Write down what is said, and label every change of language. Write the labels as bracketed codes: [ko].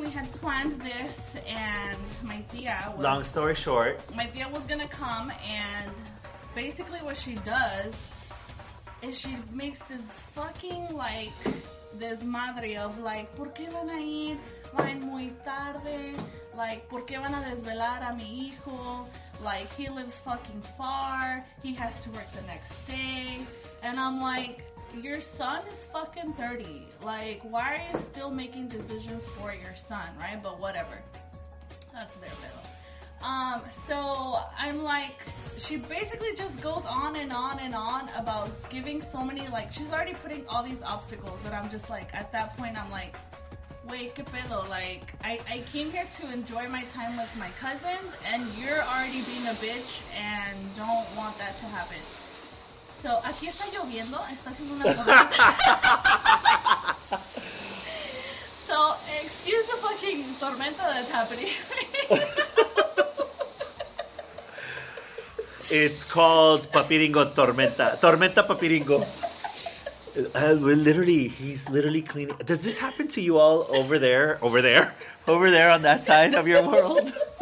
[en] We had planned this, and my tia was... Long story short. My tia was gonna come, and basically what she does is she makes this fucking, like, this madre of, like, [es] ¿por qué van a ir? Van muy tarde. Like, ¿por qué van a desvelar a mi hijo? [en] Like, he lives fucking far. He has to work the next day. And I'm like, your son is fucking 30. Like, why are you still making decisions for your son, right? But whatever. That's their middle. So I'm like, she basically just goes on and on and on about giving so many, like, she's already putting all these obstacles that I'm just like, at that point, I'm like, wait, [es] que pedo, [en] like, I came here to enjoy my time with my cousins, and you're already being a bitch and don't want that to happen. [es] So, aquí está lloviendo, está haciendo una tormenta. [en] So, excuse the fucking tormenta that's happening right now. It's called Papiringo Tormenta. Tormenta Papiringo. He's literally cleaning. Does this happen to you all over there? Over there? Over there on that side of your world?